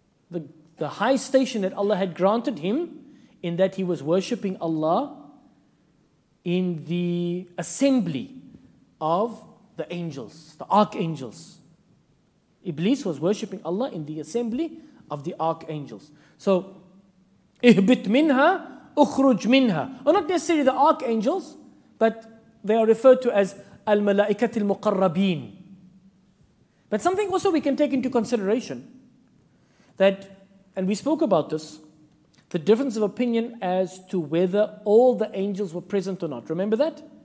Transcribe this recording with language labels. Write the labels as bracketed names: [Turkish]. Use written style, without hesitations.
[English] The high station that Allah had granted him, in that he was worshipping Allah in the assembly of the angels, the archangels. Iblis was worshipping Allah in the assembly of the archangels. [Arabic] So, اِهْبِتْ مِنْهَا اُخْرُجْ مِنْهَا. [English] Well, not necessarily the archangels, but they are referred to as [Arabic] الْمَلَائِكَةِ الْمُقَرَّبِينَ. [English] But something also we can take into consideration, that, and we spoke about this, the difference of opinion as to whether all the angels were present or not. Remember that?